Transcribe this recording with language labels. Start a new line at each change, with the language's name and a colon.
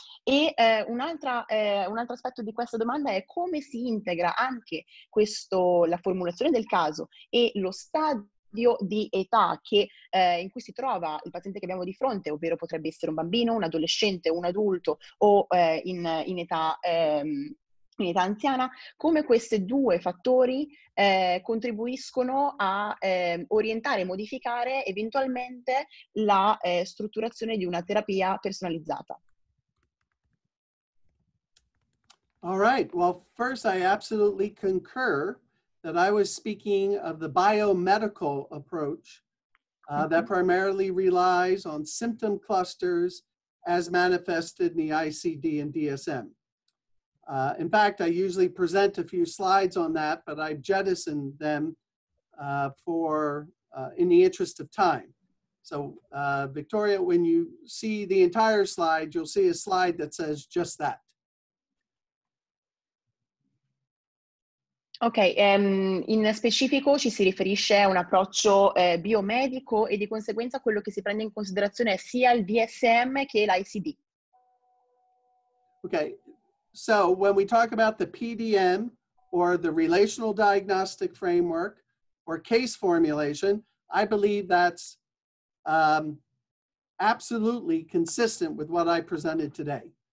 Italian: E un altro aspetto di questa domanda è come si integra anche questo, la formulazione del caso e lo stadio di età che, in cui si trova il paziente che abbiamo di fronte, ovvero potrebbe essere un bambino, un adolescente, un adulto o in età anziana, come questi due fattori contribuiscono a orientare e modificare eventualmente la strutturazione di una terapia personalizzata.
English: All right, well, first I absolutely concur that I was speaking of the biomedical approach that primarily relies on symptom clusters as manifested in the ICD and DSM. In fact, I usually present a few slides on that, but I've jettisoned them in the interest of time. So Victoria, when you see the entire slide, you'll see a slide that says just that.
Italian: Ok, in specifico ci si riferisce a un approccio biomedico e di conseguenza quello che si prende in considerazione è sia il DSM che l'ICD.
English: Ok, so when we talk about the PDM or the relational diagnostic framework or case formulation, I believe that's absolutely consistent with what I presented today.